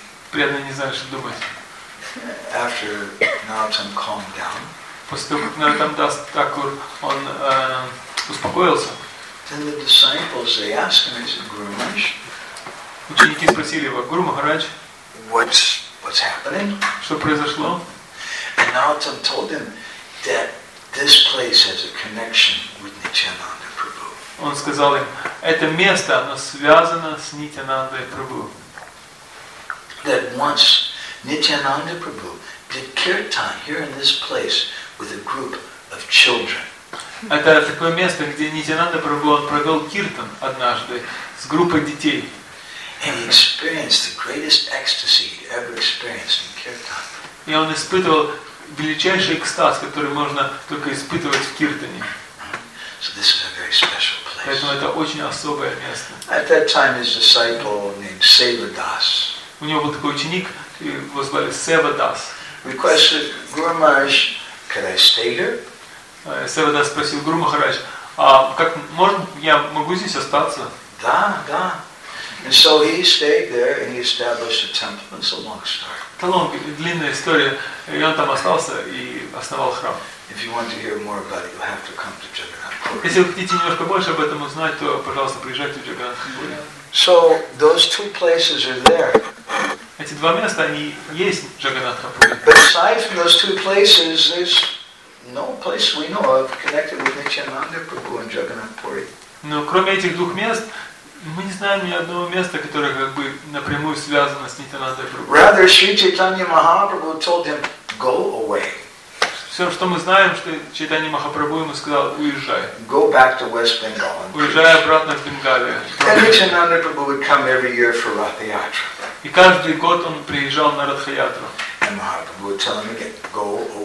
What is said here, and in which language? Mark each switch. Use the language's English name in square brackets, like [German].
[Russian] Преданные не знали, что думать. [English] After Nartam calmed down, [Russian] после того, как Нартам Дас Такур, он успокоился. [English] Then the disciples, they asked him, said, Guru Maharaj, [Russian] ученики спросили его, Гуру Махарадж, [English] what's happening? [Russian] Что произошло? [English] And Nartam told him that this place has a connection with Nityananda Prabhu. [Russian] Он сказал им, это место, оно связано с Нитянандой Прабху. [English] That once Nityananda Prabhu did kirtan here in this place with a group of children. [Russian] Это такое место, где Нитянанда Прабху провел киртан однажды с группой детей. [English] And he experienced the greatest ecstasy he ever experienced in kirtan. [Russian] И он испытывал величайший экстаз, который можно только испытывать в киртане. [English] So this is a very special place. [Russian] Поэтому это очень особое место. [English] At that time, his disciple named Seva Das. [Russian] У него был такой ученик, его звали Seva Das. [English] Requested Guru Maharaj, can I stay here? [Russian] Seva Das спросил Гуру Махарадж, а как можно, я могу здесь остаться? Да, да. [English] And so he stayed there and he established a temple. It's a long story. [Russian] Это долгая, длинная история. И он там остался и основал храм. [English] If you want to hear more about it, you have to come to Jagannath. [Russian] Если вы хотите немножко больше об этом узнать, то, пожалуйста, приезжайте в Джаганнатхпури. [English] So those two places are there. [Russian] Эти два места, они есть в Джаганнатхпури. [English] But aside from those two places, there's no place we know of connected with Nityananda Prabhu and Jagannathpuri. [Russian] Но кроме этих двух мест, мы не знаем ни одного места, которое как бы напрямую связано с Нитянандой Прабху. [English] Rather, Sri Chaitanya Mahaprabhu told him, "Go away." [Russian] Все, что мы знаем, что Чайтанья Махапрабху ему сказал, уезжай. [English] Go back to West Bengal. [Russian] Уезжай обратно в Бенгалию. [English] And Nityananda Prabhu would come every year for Ratha Yatra. [Russian] И каждый год он приезжал на Ратха Ятру. [English] And Mahaprabhu would tell him again, "Go away."